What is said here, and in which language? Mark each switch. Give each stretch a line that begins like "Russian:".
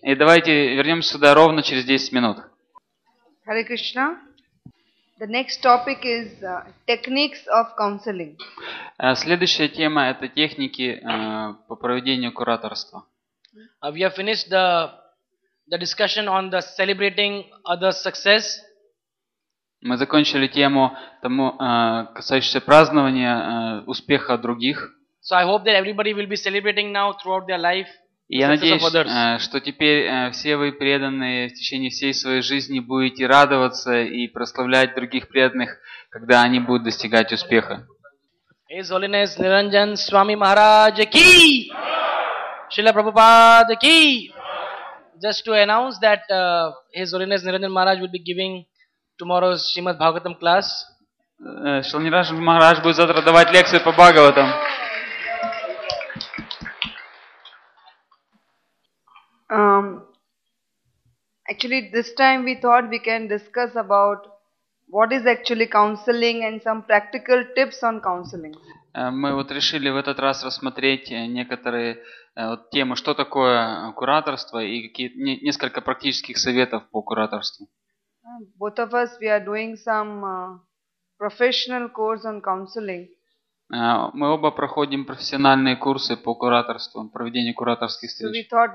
Russian: И давайте вернемся сюда ровно через 10 минут.
English: Hare Krishna. The next topic is techniques of counseling.
Russian: Следующая тема это техники по проведению кураторства.
English: We have finished the discussion on the celebrating others' success.
Russian: Мы закончили тему тому, касающуюся празднования успеха других.
English: So I hope that everybody will be celebrating now throughout their life.
Russian: Я надеюсь, что теперь все вы преданные в течение всей своей жизни будете радоваться и прославлять других преданных, когда они будут достигать успеха.
English: His Holiness Niranjan Swami Maharaj ki! Srila Prabhupada ki! Just to announce that His Holiness Niranjan Maharaj will be giving tomorrow's Srimad Bhagavatam class.
Russian: Srila Niranjan Maharaj будет завтра давать лекцию по Бхагаватам.
English: Actually, this time we thought we can discuss about what is actually counseling and some practical tips on counseling.
Russian: Мы вот решили в этот раз рассмотреть некоторые вот темы, что такое кураторство и какие несколько практических советов по кураторству.
English: Both of us, we are doing some professional course on counseling.
Russian: Мы оба проходим профессиональные курсы по кураторству, проведению кураторских встреч.